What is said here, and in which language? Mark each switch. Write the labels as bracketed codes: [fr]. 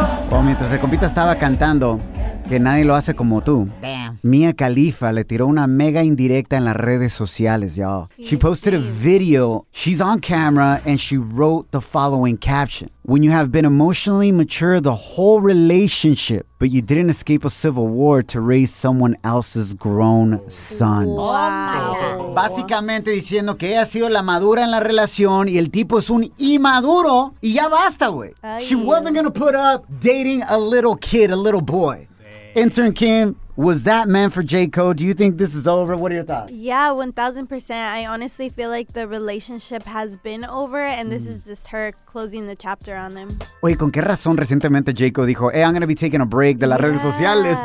[es] Well, mientras el compita estaba cantando que nadie lo hace como tú, Mia Khalifa le tiró una mega indirecta en las redes sociales, y'all. [en] She posted a video. She's on camera and she wrote the following caption. When you have been emotionally mature the whole relationship, but you didn't escape a civil war to raise someone else's grown son. Wow. [es] Básicamente diciendo que ella ha sido la madura en la relación y el tipo es un inmaduro y ya basta, güey. [en] She wasn't going to put up dating a little kid, a little boy. Intern Kim, was that meant for J.Co? Do you think this is over? What are your thoughts? Yeah, 1,000%. I honestly feel like the relationship has been over, and this is just her closing the chapter on them. [es] Oye, ¿con qué razón recientemente J.Co dijo, [en] hey, I'm going to be taking a break [es] de las redes sociales?